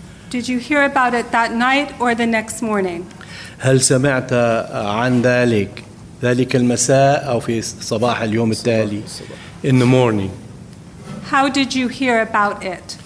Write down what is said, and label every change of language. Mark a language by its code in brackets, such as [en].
[en] Did you hear about it that night or the next morning? [ar] هل سمعت عن ذلك ذلك المساء أو في صباح اليوم التالي؟ الصباح. [en] In the morning. How did you hear about it?